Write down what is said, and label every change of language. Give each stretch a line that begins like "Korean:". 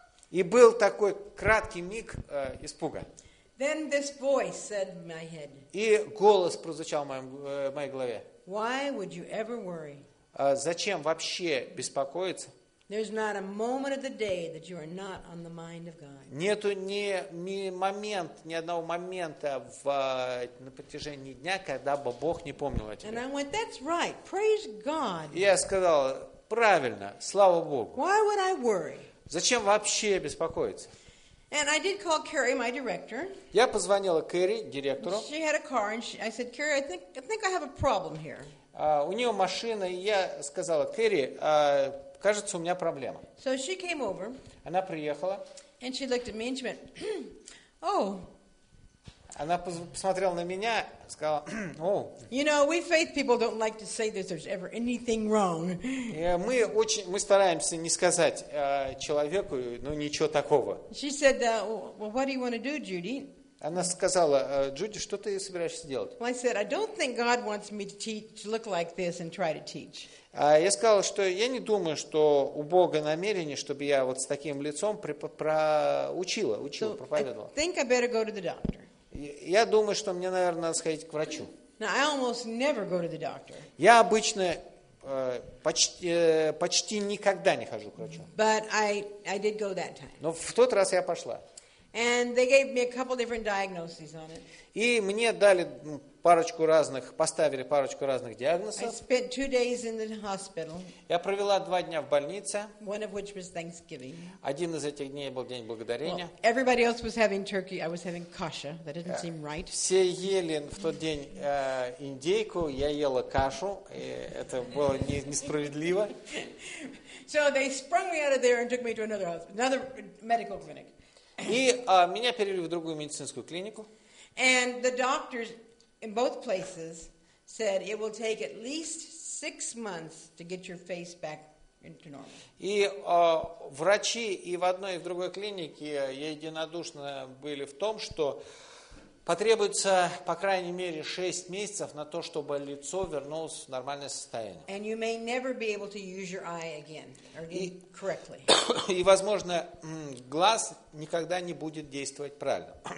Russian: И был такой краткий миг испуга.
English: Then this voice said in my head.
Russian: И голос прозвучал в моей голове.
English: Why would you ever worry?
Russian: Зачем вообще беспокоиться?
English: There's not a moment of the day that you are not on the mind of God.
Russian: Нету ни одного момента на протяжении дня, когда бы Бог не помнил о тебе.
English: And I went, that's right. Praise God.
Russian: Я сказал, правильно, слава Богу.
English: Why would I worry?
Russian: Зачем вообще беспокоиться?
English: And I did call Carrie, my director.
Russian: Я позвонила Кэрри, директору.
English: She had a car, and I said, Carrie, I think I have a problem here.
Russian: У нее машина, и я сказала, Кэрри, кажется, у меня проблема.
English: So she came over.
Russian: Она приехала.
English: And she looked at me, and she went, oh.
Russian: Она посмотрела на меня, сказала, oh.
English: You know, we faith people don't like to say that there's ever anything wrong.
Russian: Мы стараемся не сказать человеку, ну, ничего такого.
English: She said, well, what do you want to do, Judy?
Russian: Она сказала, Джуди, что ты собираешься делать?
English: Well, I said, I don't think God wants me to look like this and try to teach.
Russian: Я сказал, что я не думаю, что у Бога намерение, чтобы я вот с таким лицом учила, проповедовала.
English: I think I better go to the doctor.
Russian: Я думаю, что мне, наверное, надо сходить к врачу.
English: Now, I almost never go to the doctor.
Russian: Я обычно почти никогда не хожу к врачу.
English: But I did go that time.
Russian: Но в тот раз я пошла.
English: And they gave me a couple different diagnoses on it.
Russian: И мне дали поставили парочку разных диагнозов.
English: I spent 2 days in the hospital.
Russian: Я провела 2 дня в больнице.
English: One of which was Thanksgiving.
Russian: Один из этих дней был День Благодарения.
English: Well, everybody else was having turkey. I was having kasha. That didn't seem right.
Russian: Все ели в тот день индейку. Я ела кашу. И это было несправедливо.
English: So they sprung me out of there and took me to another medical clinic.
Russian: И меня перевели в другую медицинскую клинику.
English: And the doctors in both places said it will take at least 6 months to get your face back into normal.
Russian: И врачи и в одной, и в другой клинике единодушно были в том, что потребуется по крайней мере 6 месяцев на то, чтобы лицо вернулось в нормальное состояние.
English: And you may never be able to use your eye again or correctly.
Russian: И возможно, глаз никогда не будет действовать правильно.